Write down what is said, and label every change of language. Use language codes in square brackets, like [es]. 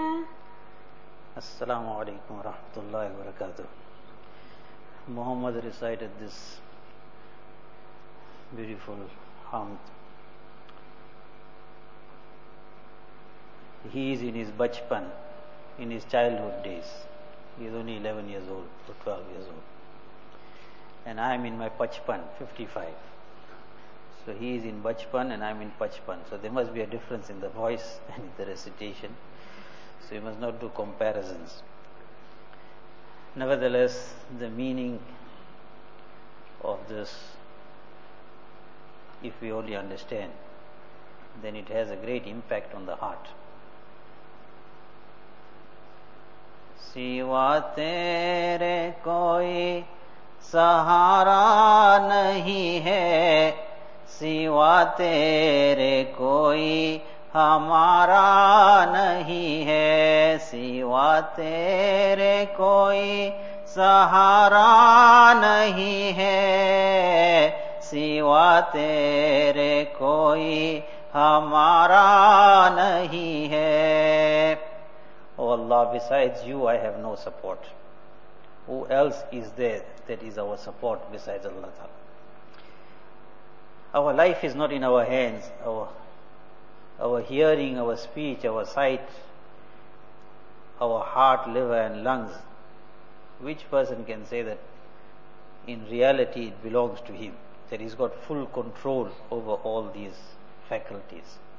[ar] السلام علیکم ورحمۃ اللہ وبرکاتہ [en] Muhammad recited this beautiful hamd he is in his bachpan in his childhood days he is only 11 years old اور 12 years old and I am in my bachpan 55 So he is in Bachpan and I am in Pachpan. So there must be a difference in the voice and in the recitation. So you must not do comparisons. Nevertheless, the meaning of this, if we only understand, then it has a great impact on the heart. [ur] Siwa tere koi sahara nahi hai سوا تیرے کوئی ہمارا نہیں ہے سوا تیرے کوئی سہارا نہیں ہے سوا تیرے کوئی ہمارا نہیں ہے [en] O Allah beside you I have no support who else is there that is our support beside Allah تعالیٰ Our life is not in our hands. Our hearing, our speech, our sight, our heart, liver and lungs. Which person can say that in reality it belongs to him? That he's got full control over all these faculties.